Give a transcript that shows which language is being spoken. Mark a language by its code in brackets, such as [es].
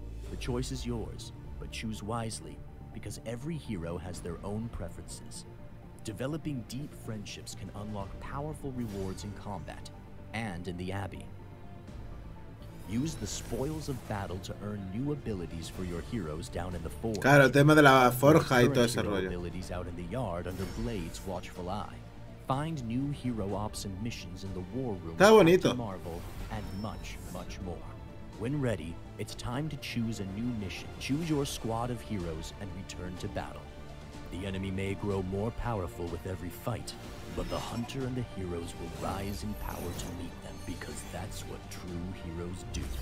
[en] The choice is yours, but choose wisely, because every hero has their own preferences. Developing deep friendships can unlock powerful rewards in combat and in the Abbey. Use the spoils of battle to earn new abilities for your heroes down in the forge. [es] Claro, el tema de la forja y todo ese rollo. [en] Abilities out in the yard under Blade's watchful eye. Find new hero ops and missions in the war room. [es] Está bonito. [en] Marvel and much, much more. When ready, it's time to choose a new mission. Choose your squad of heroes and return to battle. The enemy may grow more powerful with every fight, but the hunter and the heroes will rise in power to meet them, because that's what true heroes do.